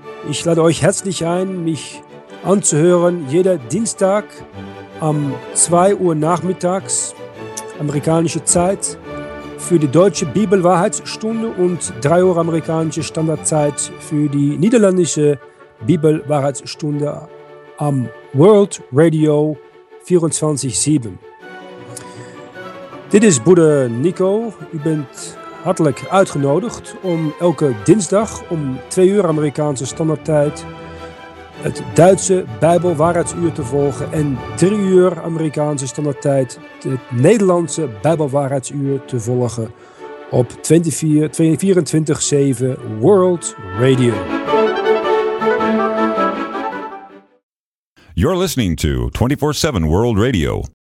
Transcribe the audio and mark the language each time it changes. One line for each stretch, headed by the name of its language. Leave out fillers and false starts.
German: Ich lade euch herzlich ein, mich anzuhören jeder Dienstag um 2 Uhr nachmittags, amerikanische Zeit, für die deutsche Bibelwahrheitsstunde und 3 Uhr amerikanische Standardzeit für die niederländische Bibelwahrheitsstunde am World Radio 24/7.
Dutch: Dit is Bruder Nico. U bent hartelijk uitgenodigd om elke dinsdag om 2 uur amerikaanse standaardtijd het Duitse Bijbelwaarheidsuur te volgen en 3 uur amerikaanse standaardtijd het Nederlandse Bijbelwaarheidsuur te volgen op 24/7 World Radio.
English: You're listening to 24/7 World Radio.